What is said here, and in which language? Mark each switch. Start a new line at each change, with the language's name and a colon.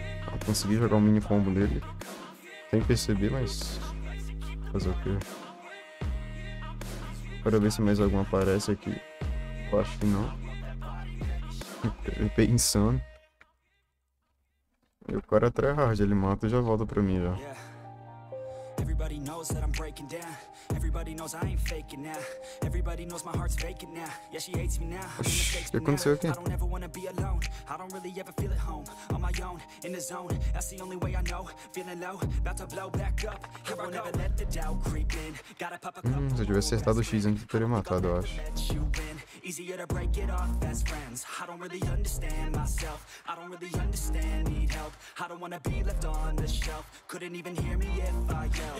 Portuguese: Eu consegui jogar um mini combo nele. Sem perceber, mas. Fazer o quê? Quero ver se mais algum aparece aqui. Eu acho que não. Pensando. E o cara é try hard, ele mata e já volta pra mim já.
English: Everybody knows that I'm breaking down. Everybody knows I ain't faking now. Everybody knows my heart's faking now. Yeah, she hates me now. I don't ever wanna be alone. I don't really ever feel at home. On my own, in the zone. That's the only way I know. Feeling low, about to blow back up. Here I won't ever let the doubt creep in. Gotta pop a couple.
Portuguese: Se eu tivesse acertado o X, eu teria matado, eu acho.
English: Easier to break it off best friends. I don't really understand myself. I don't really understand, need help. I don't wanna be left on the shelf. Couldn't even hear me if I yelled.